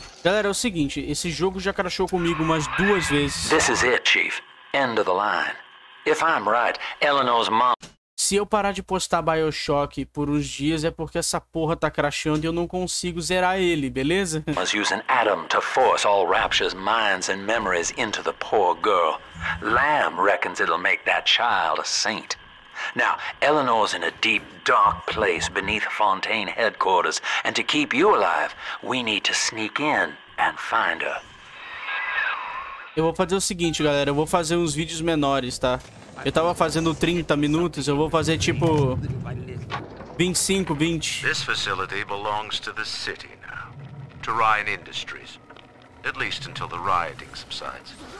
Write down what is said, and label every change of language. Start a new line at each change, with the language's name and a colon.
Portuguese: Galera, é o seguinte, esse jogo já crashou comigo umas duas vezes.
English: This is it, Chief. End of the line. If I'm right, Eleanor's mom...
Portuguese: Se eu parar de postar Bioshock por uns dias é porque essa porra tá crashando e eu não consigo zerar ele, beleza?
English: Was using Adam to force all Rapture's minds and memories into the poor girl. Lamb reckons it'll make that child a saint. Now, Eleanor's in a deep, dark place beneath Fontaine headquarters, and to keep you alive, we need to sneak in and find her.
Portuguese: Eu vou fazer o seguinte, galera, eu vou fazer uns vídeos menores, tá? Eu tava fazendo 30 minutos, eu vou fazer tipo 25, 20.
English: This facility belongs to the city now, to Ryan Industries, at least until the rioting subsides.